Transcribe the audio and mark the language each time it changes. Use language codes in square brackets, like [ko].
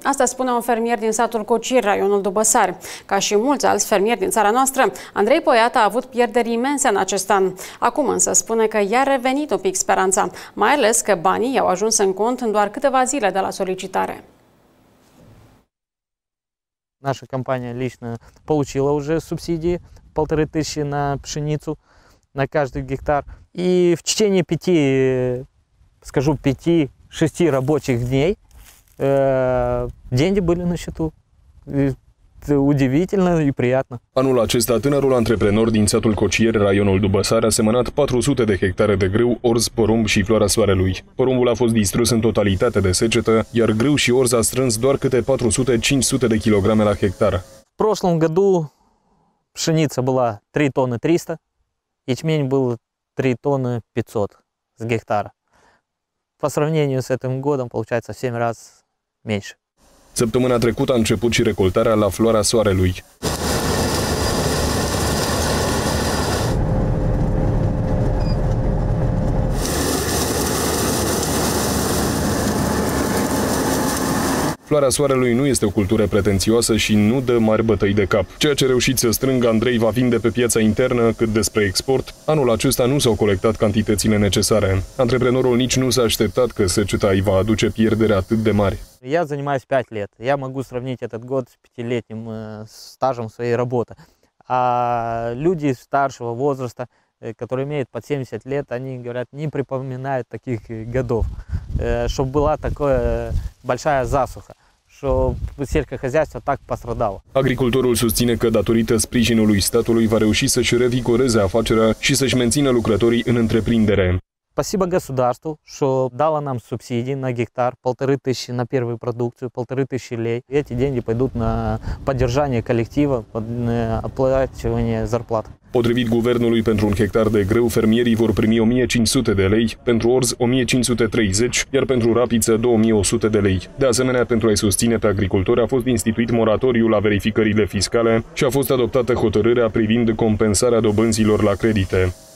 [ro] Asta spune un fermier din satul Cocir, raionul Dubăsari. Ca și mulți alți fermieri din țara noastră, Andrei Poiat a avut pierderi imense în acest an. Acum însă spune că i-a revenit un pic speranța, mai ales că banii i-au ajuns în cont în doar câteva zile de la solicitare. [ru] Наша компания лично получила уже субсидии 1500 на пшеницу на каждый гектар. И в течение 5-6 рабочих дней деньги были на счету. Удивительно и приятно. [ro] Anul acesta, tânărul antreprenor din satul Cocier, raionul Dubăsari, a semănat 400 de hectare de grâu, orz, porumb și floarea soarelui. Porumbul a fost distrus în totalitate de secetă, iar grâu și orz a strâns doar câte 400-500 de kilograme la hectare. [ru] Прошлом году пшеница была 3 тонны 300, ячмень был 3 тонны 500 с гектара. По сравнению с этим годом получается 7 раз меньше. [ro] Săptămâna trecută a început și recoltarea la floarea soarelui. Floarea soarelui nu este o cultură pretențioasă și nu dă mari bătăi de cap. Ceea ce reușit să strângă Andrei va vinde pe piața internă, cât despre export. Anul acesta nu s-au colectat cantitățile necesare. Antreprenorul nici nu s-a așteptat că seceta îi va aduce pierdere atât de mari. [ru] Я занимаюсь 5 лет. Я могу сравнить этот год с 5-летним стажем своей работы. А люди старшего возраста, которые имеют под 70 лет, они говорят, не припоминают таких годов, чтобы была такая большая засуха, [uk] що сільськогосподарство [ru] так пострадало. [ro] Agricultorul susține că datorită sprijinului statului va reuși să-și revigoreze afacerea și să-și mențină lucrătorii în întreprindere. [ru] Спасибо государству, что дало нам субсидии на гектар, 1500 на первую продукцию, 1500 лей. Эти деньги пойдут на поддержание коллектива, на оплачивание зарплат. [ro] Potrivit guvernului, pentru un hectar de grâu, fermierii vor primi 1500 de lei, pentru orz 1530, iar pentru rapiță 2100 de lei. De asemenea, pentru a-i susține pe agricultori, a fost instituit moratoriu la verificările fiscale și a fost adoptată hotărârea privind compensarea dobânzilor la credite.